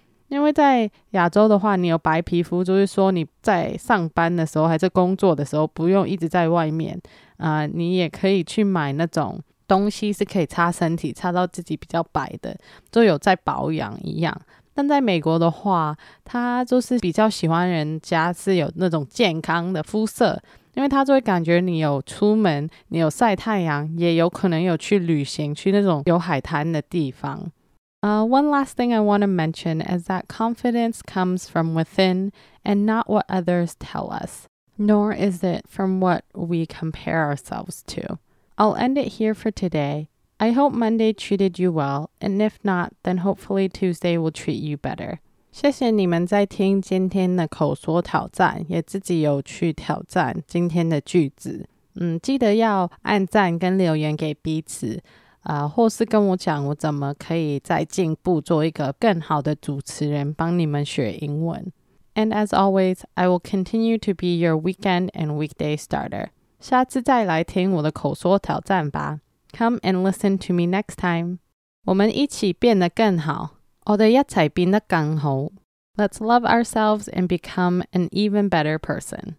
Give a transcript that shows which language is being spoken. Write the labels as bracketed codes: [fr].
[zh] 因为在亚洲的话，你有白皮肤就是说你在上班的时候还是工作的时候不用一直在外面你也可以去买那种东西是可以擦身体擦到自己比较白的，就有在保养一样。但在美国的话，他就是比较喜欢人家是有那种健康的肤色，因为他就会感觉你有出门，你有晒太阳，也有可能有去旅行，去那种有海滩的地方。 [en] One last thing I want to mention is that confidence comes from within and not what others tell us, nor is it from what we compare ourselves to. I'll end it here for today. I hope Monday treated you well, and if not, then hopefully Tuesday will treat you better. [zh] 谢谢你们在听今天的口说挑战，也自己有去挑战今天的句子。记得要按赞跟留言给彼此或是跟我讲我怎么可以再进步，做一个更好的主持人，帮你们学英文。 [en] And as always, I will continue to be your weekend and weekday starter. [zh] 下次再来听我的口说挑战吧。 [en] Come and listen to me next time. [zh] 我们一起变得更好。我们一起变得更好。 [en] Let's love ourselves and become an even better person.